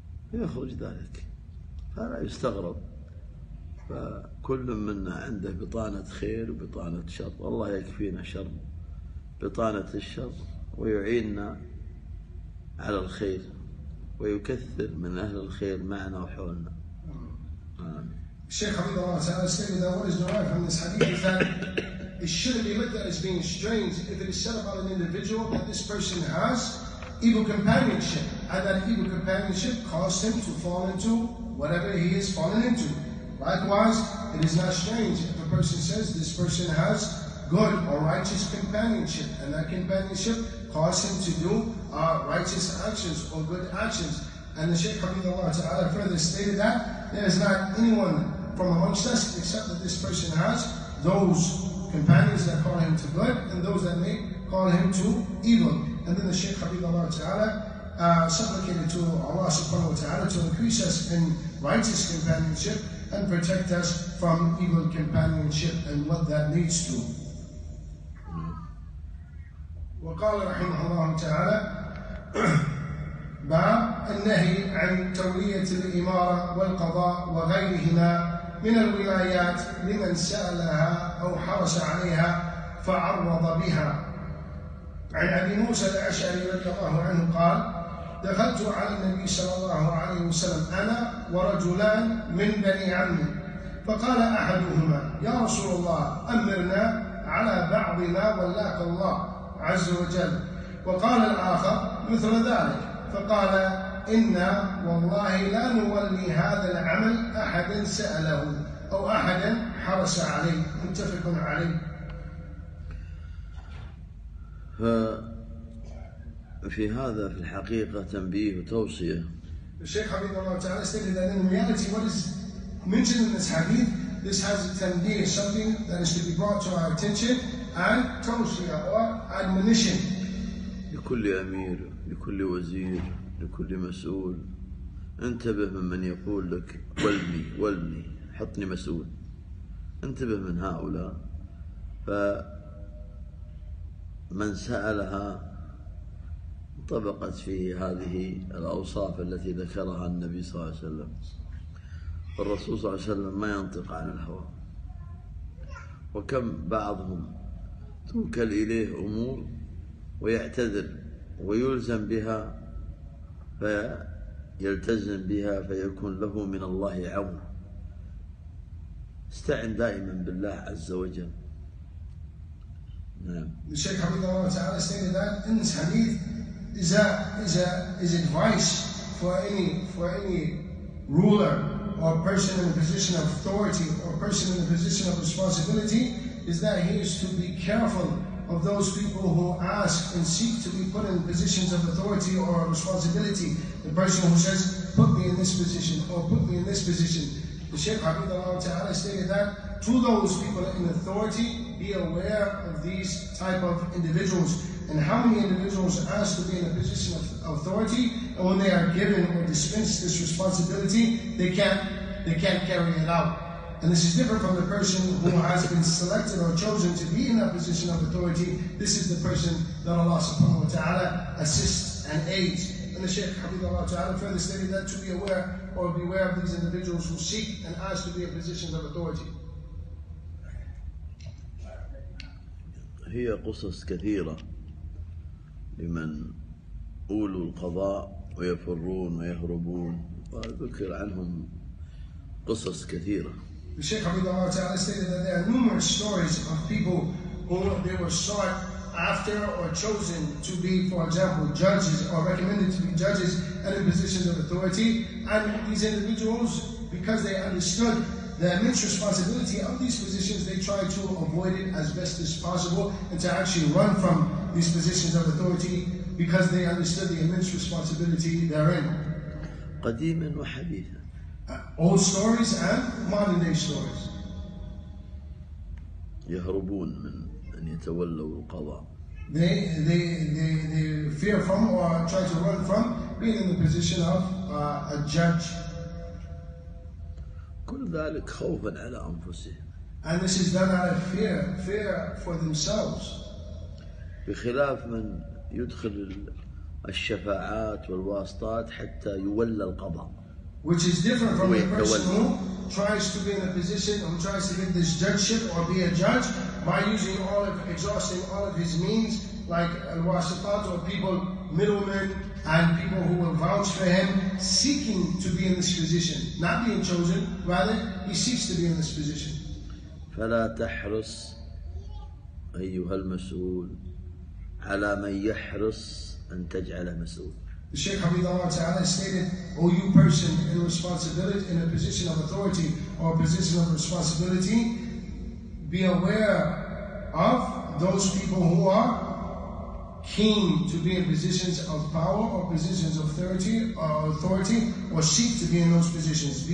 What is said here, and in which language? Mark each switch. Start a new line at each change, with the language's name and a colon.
Arabic: فيخرج ذلك، فلا يستغرب، فكل منا عنده بطانة خير وبطانة شر، والله يكفينا شر بطانة الشر ويعيننا على الخير ويكثر من أهل الخير معنا وحولنا.
English: Shaykh Hafidh Allah Ta'ala stated that what is derived from this hadith is that it shouldn't be looked at as being strange if it is said about an individual that this person has evil companionship, and that evil companionship caused him to fall into whatever he has fallen into. Likewise, it is not strange if a person says this person has good or righteous companionship, and that companionship caused him to do righteous actions or good actions. And the Shaykh Hafidh Allah Ta'ala further stated that there is not anyone from amongst us except that this person has those companions that call him to good and those that may call him to evil. And then the Shaykh Hafidh Allah Ta'ala supplicated to Allah Subhanahu Wa Ta'ala to increase us in righteous companionship and protect us from evil companionship and what that leads to.
Arabic: وقال رحمه الله تعالى باب النهي عن تولية الإمارة والقضاء وغيرهما من الولايات لمن سألها أو حرص عليها فعرض بها. عن أبي موسى الأشعري رضي الله عنه قال دخلت على النبي صلى الله عليه وسلم أنا ورجلان من بني عمي، فقال أحدهما يا رسول الله أمرنا على بعض ما ولاك الله عز وجل، وقال الآخر مثل ذلك، فقال إنا والله لا نولي هذا العمل أحدا سأله أو أحدا حرص عليه. متفق عليه. ففي هذا في الحقيقة تنبيه وتوصية. الشيخ حبيب الله تعالى
English: stated that in reality what is mentioned in this hadith, this has a tanbih, something that is to be brought to our attention and توصية or admonition.
Arabic: لكل أمير، لكل وزير، لكل مسؤول، انتبه من يقول لك ولني ولني حطني مسؤول، انتبه من هؤلاء. فمن سألها طبقت فيه هذه الأوصاف التي ذكرها النبي صلى الله عليه وسلم، والرسول صلى الله عليه وسلم ما ينطق عن الهوى، وكم بعضهم توكل إليه أمور ويعتذر ويلزم بها فيلتزم بها فيكون له من الله عون. استعن دائما بالله عز وجل. نعم. الشيخ حفظه الله تعالى
English: stated that in this hadith is advice for any ruler or person in a position of authority or person in a position of responsibility is that he is to be careful of those people who ask and seek to be put in positions of authority or responsibility. The person who says, put me in this position or put me in this position. The Shaykh Hafidh Allah Ta'ala stated that to those people in authority, be aware of these type of individuals. And how many individuals ask to be in a position of authority, and when they are given or dispensed this responsibility, they can't carry it out. And this is different from the person who has been selected or chosen to be in that position of authority. This is the person that Allah subhanahu wa ta'ala assists and aids. And the Shaykh Hafidh Allah Ta'ala further stated that to be aware or beware of these individuals who seek and ask to be in positions of authority.
Arabic: هي قصص كثيرة لمن أولوا القضاء ويفرون ويهربون، وذكر عنهم قصص كثيرة.
English: The Sheikh Abdullah Ta'ala stated that there are numerous stories of people who they were sought after or chosen to be, for example, judges or recommended to be judges and in positions of authority. And these individuals, because they understood the immense responsibility of these positions, they tried to avoid it as best as possible and to actually run from these positions of authority because they understood the immense responsibility therein.
Arabic: قديماً وحديثاً.
English: Old stories and modern day stories.
Arabic: يهربون من أن يتولوا القضاء.
English: They fear from or try to run from being in the position of a judge.
Arabic: كل ذلك خوفا على أنفسهم.
English: And this is done out of fear for themselves.
Arabic: بخلاف من يدخل الشفاعات والواسطات حتى يولى القضاء.
English: Which is different from the person who tries to be in a position, who tries to get this judgeship or be a judge by using all of, exhausting all of his means, like al-wasitat or people, middlemen and people who will vouch for him, seeking to be in this position, not being chosen, rather he seeks to be in this position.
Arabic: فلا تحرص أيها المسؤول على من يحرص أن تجعل مسؤول.
English: The Shaykh Habibullah Ta'ala stated, O you person in responsibility, in a position of authority or a position of responsibility, be aware of those people who are keen to be in positions of power or positions of authority or seek to be in those positions.